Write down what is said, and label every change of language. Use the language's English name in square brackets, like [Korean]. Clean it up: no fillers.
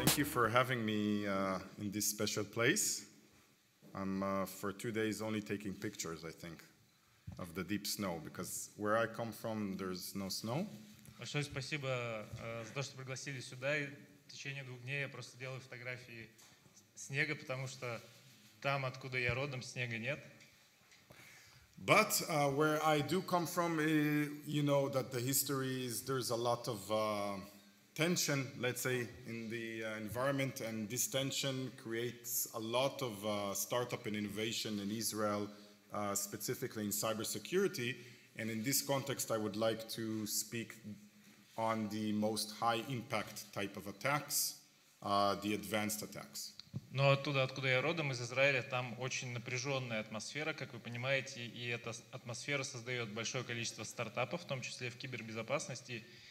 [English] for having me in this special place. I'm for 2 days only taking pictures, I think, of the deep snow, because where I come from, there's no snow. [Russian] Большое спасибо за то, что пригласили сюда. И в течение двух дней я просто делаю фотографии снега, потому что там, откуда я родом, снега нет. [English] But where I do come from, you know that the history is there's a lot of tension, let's say, in the environment, and this tension creates a lot of startup and innovation in Israel, specifically in cybersecurity. And in this context, I would like to speak on the most high impact type of attacks, the advanced attacks. [Russian] Но оттуда, откуда я родом, из Израиля, там очень напряженная атмосфера, как вы понимаете, и эта атмосфера создает большое количество стартапов, в том числе в кибербезопасности.